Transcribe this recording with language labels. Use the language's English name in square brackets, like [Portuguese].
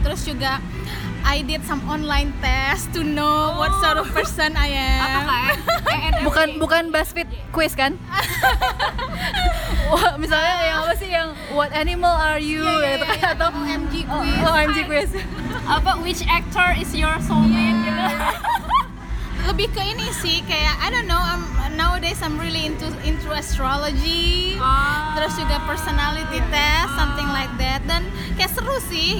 [Indonesian] Terus juga [English] I did some online test to know what sort of person I am. [Indonesian] Bukan BuzzFeed quiz kan? Misalnya yang apa sih yang [English] what animal are you? [Indonesian] Atau OMG quiz. [English] OMG quiz. [Indonesian] Apa [English] which actor is your soulmate? [Indonesian] Lebih ke ini sih kayak [English] I don't know. Nowadays I'm really into astrology. [Indonesian] Terus juga [English] personality test, something like that. [Indonesian] Dan kayak seru sih.